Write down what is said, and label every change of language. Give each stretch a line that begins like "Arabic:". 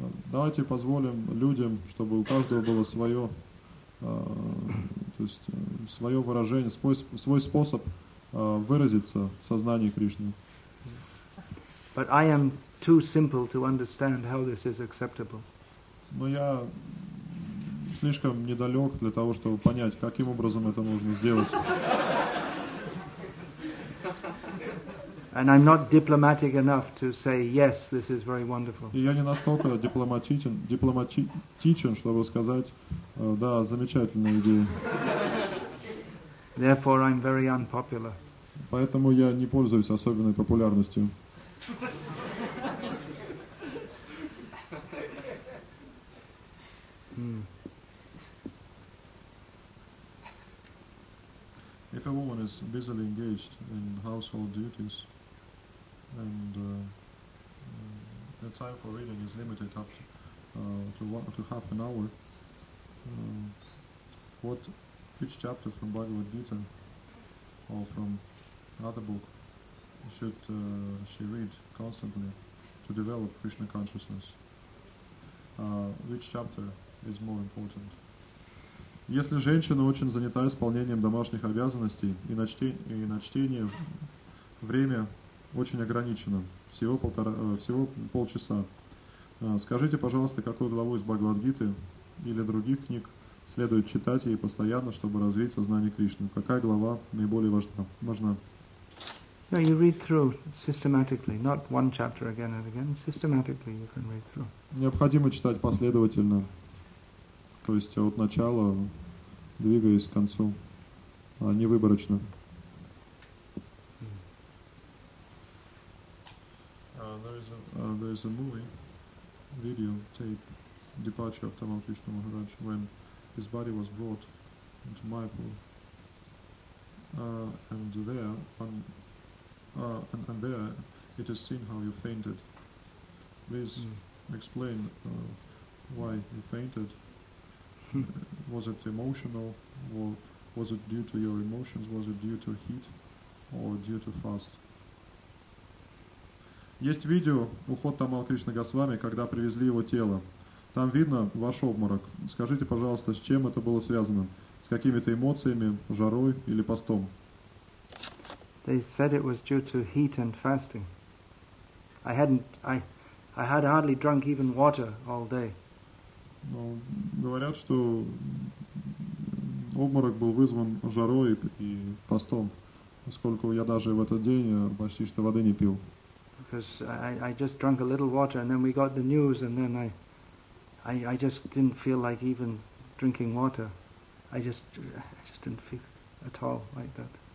Russian: Давайте позволим людям, чтобы у каждого было свое, то есть свое выражение, свой способ выразиться в сознании Кришны.
English: But I am too simple to understand how this is acceptable.
Russian: Но я слишком недалек для того, чтобы понять, каким образом это можно сделать.
English: And I'm not diplomatic enough to say yes, this is very wonderful.
Russian: И я не настолько дипломатичен, чтобы сказать, да, замечательная идея.
English: Therefore, I'm very unpopular.
Russian: Поэтому я не пользуюсь особенной популярностью.
English: If a woman is busily engaged in household duties and the time for reading is limited up to half an hour, which chapter from Bhagavad Gita or from another book should she read constantly to develop Krishna consciousness? Which chapter is more important?
Russian: Если женщина очень занята исполнением домашних обязанностей и на чтение время очень ограничено, всего полчаса, скажите, пожалуйста, какую главу из Бхагавад-гиты или других книг следует читать ей постоянно, чтобы развить сознание Кришны? Какая глава наиболее важна?
English: No, you read through systematically, not one chapter again and again. Systematically, you can read through.
Russian: Необходимо читать последовательно, то есть от начала, двигаясь к концу, а не выборочно.
English: There is a movie, video tape, departure of Tamal Krishna Maharaj when his body was brought into Mayapur, and there on. And there, it is seen how you fainted. Please explain why you fainted. Was it emotional, or was it due to your emotions? Was it due to heat, or due to fast?
Russian: Есть видео уход Тамал Кришна Госвами, когда привезли его тело. Там видно ваш обморок. Скажите, пожалуйста, с чем это было связано? С какими-то эмоциями, жарой или постом?
English: They said it was due to heat and fasting. I had hardly drunk even water all day.
Russian: Ну, говорят, что обморок был вызван жарой и постом, поскольку я даже в этот день почти что воды не пил.
English: Because I just drank a little water, and then we got the news, and then I just didn't feel like even drinking water. I just didn't feel at all like that.